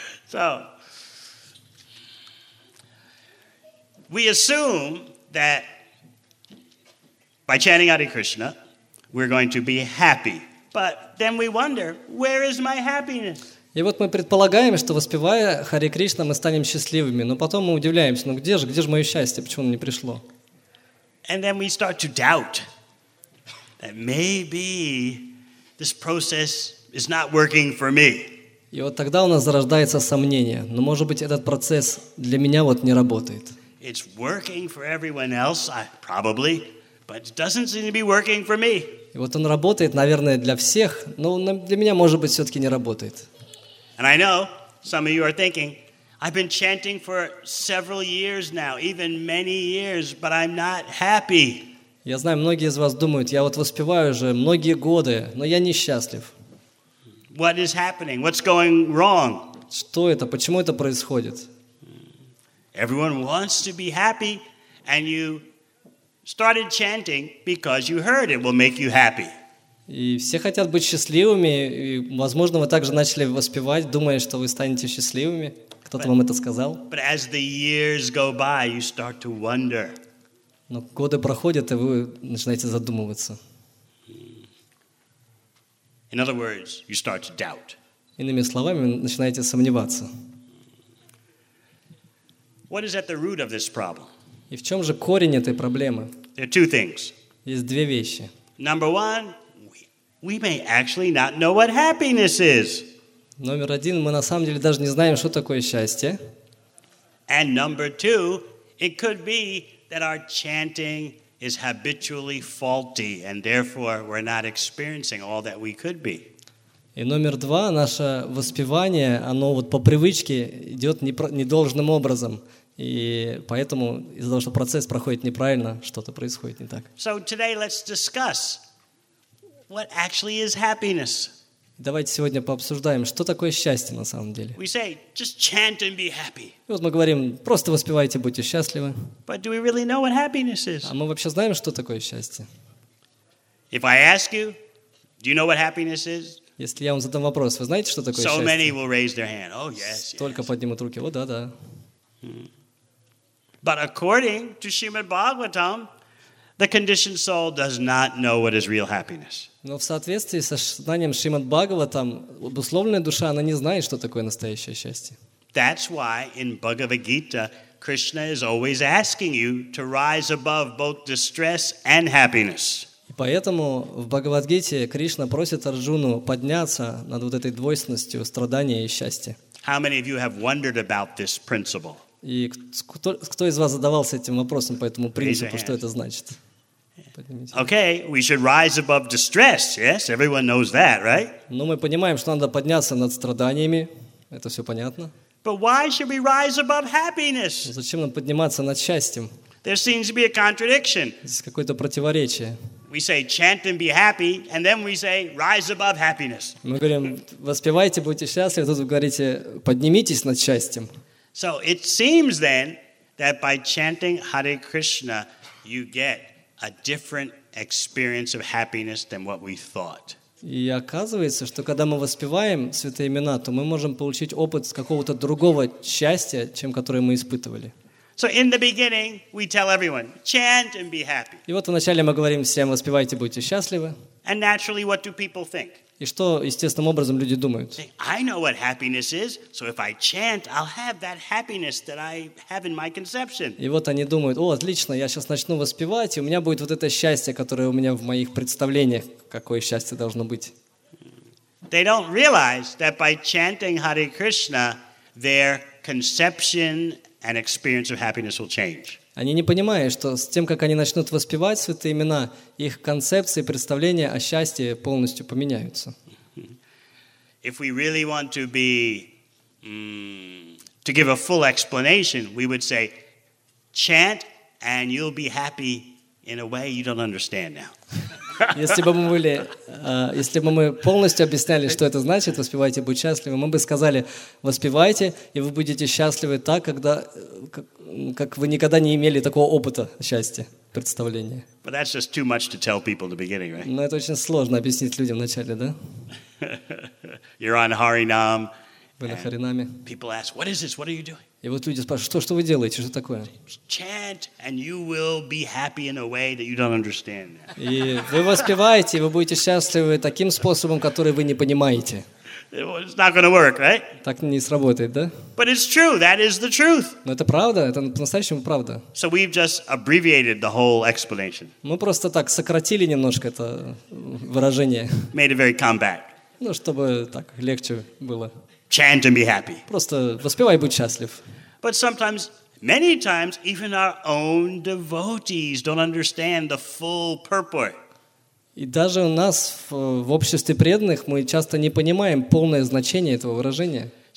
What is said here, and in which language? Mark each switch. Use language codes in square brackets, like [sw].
[en] So, we assume that by chanting Hare Krishna, we're going to be happy. But then we wonder, where is my happiness? [ru] И вот мы предполагаем, что воспевая Хари Кришна, мы станем счастливыми. Но потом мы удивляемся, ну где же мое счастье, почему оно не пришло? [en] And then we start to doubt that maybe this process is not working for me. [ru] И вот тогда у нас зарождается сомнение. Но, может быть, этот процесс для меня вот не работает. [en] It's working for everyone else, probably, but it doesn't seem to be working for me. [ru] И вот он работает, наверное, для всех, но для меня, может быть, все-таки не работает. [en] And I know some of you are thinking, I've been chanting for several years now, even many years, but I'm not happy. [ru] Я знаю, многие из вас думают, я вот воспеваю уже многие годы, но я несчастлив. [en] What is happening? What's going wrong? [ru] Что это? Почему это происходит? [en] Everyone wants to be happy, and you started chanting because you heard it will make you happy. [ru] И все хотят быть счастливыми, и, возможно, вы также начали воспевать, думая, что вы станете счастливыми. Кто-то вам это сказал. [en] But as the years go by, you start to wonder. [ru] Но годы проходят, и вы начинаете задумываться. [en] In other words, you start to doubt. [ru] Иными словами, начинаете сомневаться. [en] What is at the root of this problem? [ru] И в чем же корень этой проблемы? [en] There are two things. [ru] Есть две вещи. [en] Number one, we may actually not know what happiness is. [ru] Номер один, мы на самом деле даже не знаем, что такое счастье. [en] And number two, it could be that our chanting is habitually faulty, and therefore we're not experiencing all that we could be. [ru] И номер два, наше воспевание, оно вот по привычке идет недолжным образом, и поэтому из-за того, что процесс проходит неправильно, что-то происходит не так. [en] So today let's discuss what actually is happiness. [ru] Давайте сегодня пообсуждаем, что такое счастье на самом деле. [en] We say, just chant and be happy. [ru] И вот мы говорим, просто воспевайте, будьте счастливы. [en] But do we really know what happiness is? [ru] А мы вообще знаем, что такое счастье? [en] If I ask you, do you know what happiness is? [ru] Если я вам задам вопрос, вы знаете, что такое so счастье? [en] So many will raise their hand. Oh, yes, yes. [ru] Только поднимут руки. О, да-да. [en] But according to Srimad Bhagavatam, the conditioned soul does not know what is real happiness. [ru] Но в соответствии со знанием Шримад Бхагаватам, обусловленная душа, она не знает, что такое настоящее счастье. [en] That's why in Bhagavad Gita, Krishna is always asking you to rise above both distress and happiness. [ru] И поэтому в Бхагавад-гите Кришна просит Арджуну подняться над вот этой двойственностью страдания и счастья. [en] How many of you have wondered about this principle? [ru] И кто из вас задавался этим вопросом по этому принципу, что это значит? [en] Okay, we should rise above distress. Yes, everyone knows that, right? [ru] Но мы понимаем, что надо подняться над страданиями. Это все понятно. [en] But why should we rise above happiness? [ru] Зачем нам подниматься над счастьем? [en] There seems to be a contradiction. [ru] Здесь какое-то противоречие. [en] We say chant and be happy, and then we say rise above happiness. [ru] Мы говорим, воспевайте, будьте счастливы, а тут вы говорите, поднимитесь над счастьем. [en] So it seems then that by chanting Hare Krishna, you get a different experience of happiness than what we thought. [ru] И оказывается, что когда мы воспеваем святые имена, то мы можем получить опыт какого-то другого счастья, чем которое мы испытывали. [en] So in the beginning, we tell everyone, chant and be happy. [ru] И вот вначале мы говорим всем, воспевайте, будьте счастливы. [en] And naturally, what do people think? [ru] И что естественным образом люди думают? [en] I know what happiness is, so if I chant, I'll have that happiness that I have in my conception. [ru] И вот они думают: о, отлично, я сейчас начну воспевать, и у меня будет вот это счастье, которое у меня в моих представлениях, какое счастье должно быть. [en] They don't realize that by chanting Hare Krishna, their conception and experience of happiness will change. [ru] Они не понимают, что с тем, как они начнут воспевать святые имена, их концепции и представления о счастье полностью поменяются. [en] If we really want to be to give a full explanation, we would say chant and you'll be happy In a way you don't understand now. [ru] Если бы мы полностью объясняли, что это значит, воспевайте, будь счастливы, мы бы сказали, воспевайте, и вы будете счастливы так, когда, как вы никогда не имели такого опыта счастья, представления. [en] But that's just too much to tell people in the beginning, right? [ru] Но это очень сложно объяснить людям вначале, да? [en] You're on Harinam. [ru] Вы на Харинаме. [en] People ask, what is this? What are you doing? [ru] И вот люди спрашивают, что вы делаете, что такое? [en] Chant, and you will be happy in a way that you don't understand. [ru] И вы воспеваете, и вы будете счастливы таким способом, который вы не понимаете. [en] It's not going to work, right? [ru] Так не сработает, да? [en] But it's true. That is the truth. [ru] Но это правда. Это по-настоящему правда. [en] So we've just abbreviated the whole explanation. [ru] Мы просто так сократили немножко это выражение. [en] Made it very compact. [ru] Ну, чтобы так легче было. [en] Chant and be happy. [ru] Просто воспевай и будь счастлив. [en] But sometimes, many times, even our own devotees don't understand the full purport. [ru] И даже у нас в обществе преданных мы часто не понимаем полное значение этого выражения.